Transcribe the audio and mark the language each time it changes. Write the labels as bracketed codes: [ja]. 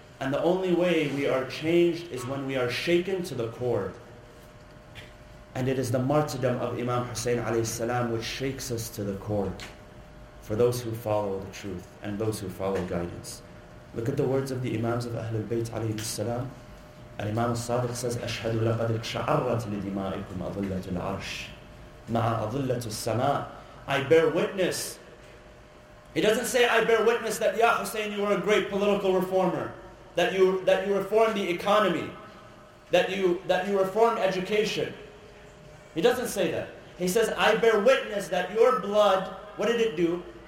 [en] And the only way we are changed is when we are shaken to the core. And it is the martyrdom of Imam Hussein alayhi salam which shakes us to the core for those who follow the truth and those who follow guidance. Look at the words of the Imams of Ahlul Bayt alayhi salam. Al-Imam al-Sadiq says, [ar] أَشْهَدُ لَقَدِ اكْشَعَرَّتْ لِدِمَائِكُمْ أَظُلَّةُ الْعَرْشِ مَعَ أَظُلَّةُ السَّمَاءِ. [en] I bear witness. He doesn't say, I bear witness that, Ya Hussein, you were a great political reformer. That you reformed the economy. That you reformed education. He doesn't say that. He says, I bear witness that your blood, what did it do?